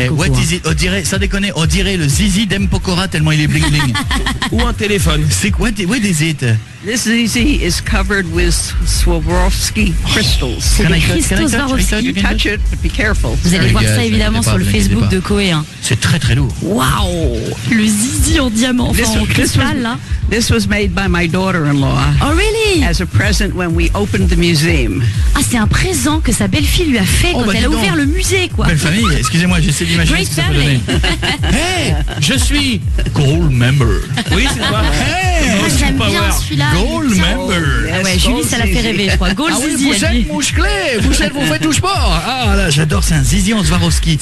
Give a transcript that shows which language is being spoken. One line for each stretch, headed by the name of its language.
English: What is it?
French: On dirait le zizi d'M. Pokora tellement il est bling bling. Ou un téléphone. C'est quoi?
English: What is it? This zizi is covered with Swarovski crystals. Touch it, but be careful.
French: Vous allez voir ça évidemment sur le Facebook de Koé. Hein. C'est très très lourd. Waouh! Le zizi en diamant, en cristal là.
English: This was made by my daughter-in-law. Oh really? As a present when we opened the museum.
French: Ah, c'est un présent que sa belle-fille lui a fait quand elle a ouvert le musée, quoi. Belle famille, excusez-moi, j'essaie d'imaginer
English: great
French: ce que ça peut donner. Hey, je suis Gold Member. Oui, c'est toi. Hey, ah, j'aime bien celui-là.
English: Gold Member.
French: Ah ouais, Julie, ça l'a fait rêver, je crois. Gold Zizi. Vous êtes mouche-clé, vous êtes vous faites tout sport. Ah là, j'adore, c'est un Zizi en Swarovski.